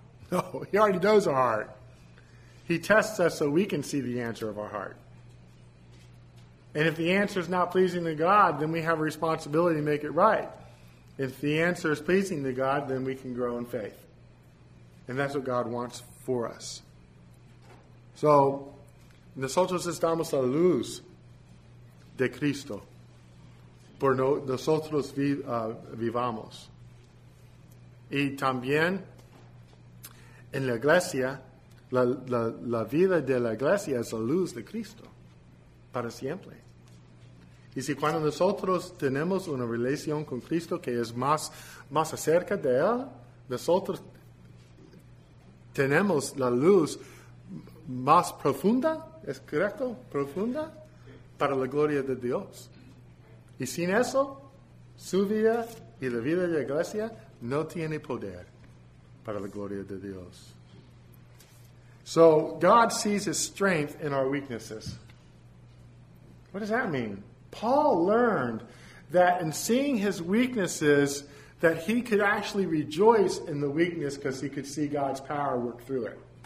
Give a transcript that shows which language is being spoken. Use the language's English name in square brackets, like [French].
[English] No, he already knows our heart. He tests us so we can see the answer of our heart. And if the answer is not pleasing to God, then we have a responsibility to make it right. If the answer is pleasing to God, then we can grow in faith. And that's what God wants for us. [Spanish] So, nosotros estamos a la luz de Cristo. Por nosotros vivamos. Y también, en la iglesia, la vida de la iglesia es la luz de Cristo. Para siempre. Y si cuando nosotros tenemos una relación con Cristo que es más acerca de Él, nosotros tenemos la luz más profunda, ¿es correcto? Profunda, para la gloria de Dios. Y sin eso, su vida y la vida de la iglesia no tiene poder para la gloria de Dios. [English] So, God sees his strength in our weaknesses. What does that mean? Paul learned that in seeing his weaknesses, that he could actually rejoice in the weakness because he could see God's power work through it.